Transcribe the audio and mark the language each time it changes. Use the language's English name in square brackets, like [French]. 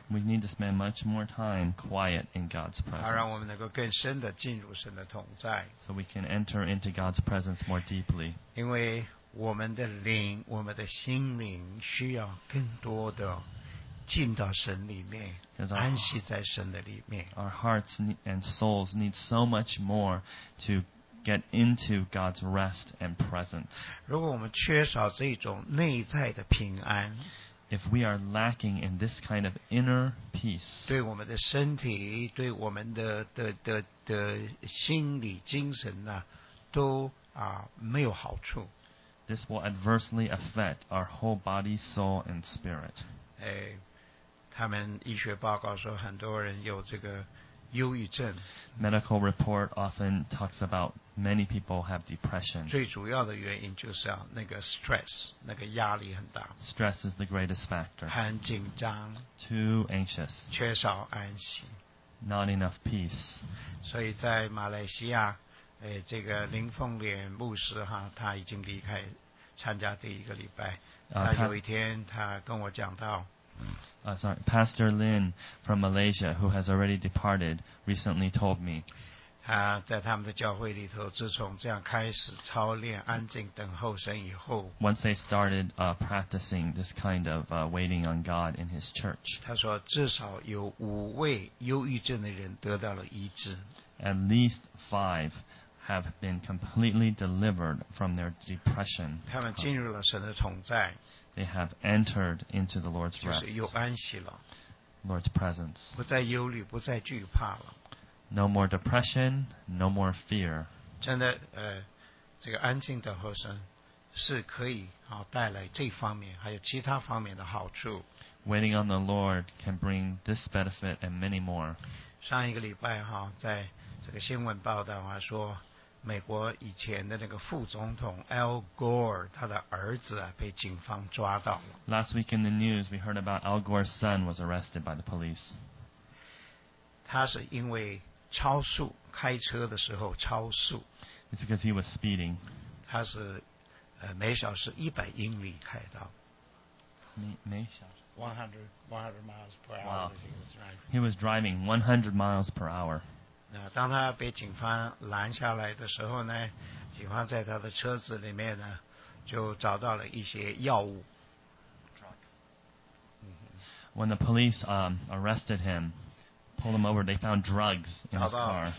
[English] We need to spend much more time quiet in God's presence. [Chinese] 好让我们能够更深地进入神的同在 [English] So we can enter into God's presence more deeply. [Chinese] 因为我们的灵我们的心灵需要更多地进到神里面安息在神的里面 [English] Our hearts and souls need so much more to get into God's rest and presence. [Chinese] 如果我们缺少这种内在的平安 [English] If we are lacking in this kind of inner peace, [Chinese] 对我们的身体，对我们的心理精神呢、啊，都啊没有好处。 [English] This will adversely affect our whole body, soul, and spirit. [Chinese] 哎，他们医学报告说很多人有这个忧郁症。 [English] Medical report often talks about many people have depression. [Chinese] 最主要的原因就是、啊、那个 stress, 那个压力很大。 [English] Stress is the greatest factor. [Chinese] 很紧张。 [English] Too anxious. [Chinese] 缺少安息。 [English] Not enough peace. [Chinese] 所以在马来西亚、这个林凤莲牧师哈他已经离开参加第一个礼拜。他有一天他跟我讲到 [English] Pastor Lin from Malaysia, who has already departed, recently told me. [Chinese] 他在他们的教会里头，自从这样开始操练安静等候神以后 [English] ，Once they started practicing this kind of waiting on God in his church. [Chinese] 他说至少有五位忧郁症的人得到了医治。 [English] At least five have been completely delivered from their depression. [Chinese] 他们进入了神的同在。 [English] They have entered into the Lord's rest. [Chinese] 就是有安息了。 [English] Lord's presence. [Chinese] 不再忧虑，不再惧怕了。 [English] No more depression, no more fear. [Chinese] 真的，这个安静等候神是可以啊带来这方面还有其他方面的好处。 [English] Waiting on the Lord can bring this benefit and many more. [Chinese] 上一个礼拜哈，在这个新闻报道啊说。美国以前的那个副总统 Al Gore 他的儿子、啊、被警方抓到了 [English] Last week in the news we heard about Al Gore's son was arrested by the police [Chinese] 他是因为超速开车的时候超速 [English] It's because he was speeding [Chinese] 他是、每小时100英里开道。 [English] 100 miles per hour. He was driving 100 miles per hour. [Chinese] 那当他被警方拦下来的时候呢，警方在他的车子里面呢，就找到了一些药物。 [English] When the police arrested him, pulled him over, they found drugs in his car.